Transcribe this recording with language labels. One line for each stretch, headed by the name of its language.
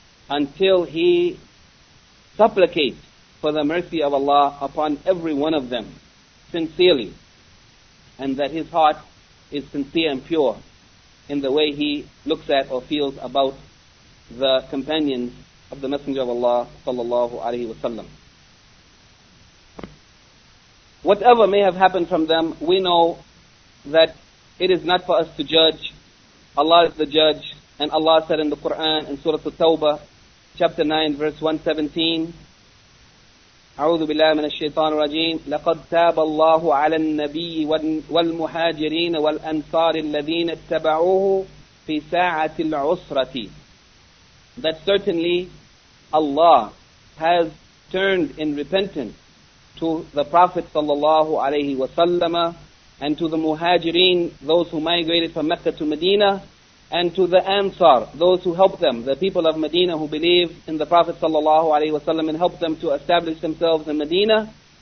English: until he supplicates for the mercy of Allah upon every one of them sincerely, and that his heart is sincere and pure in the way he looks at or feels about the companions of the Messenger of Allah sallallahu alayhi wa sallam. Whatever may have happened from them, we know that it is not for us to judge. Allah is the judge, and Allah said in the Quran in Surah At-Tawbah, chapter 9, verse 117,
Arabic: أعوذ بالله من الشيطان الرجيم لقد تاب الله على النبي والمهاجرين والأنصار الذين اتبعوه في ساعة العسرة.
English: That certainly Allah has turned in repentance to the Prophet sallallahu alayhi wa sallam and to the muhajirin, those who migrated from Mecca to Medina, and to the Ansar, those who helped them, the people of Medina who believe in the Prophet sallallahu alayhi wa sallam and helped them to establish themselves in Medina,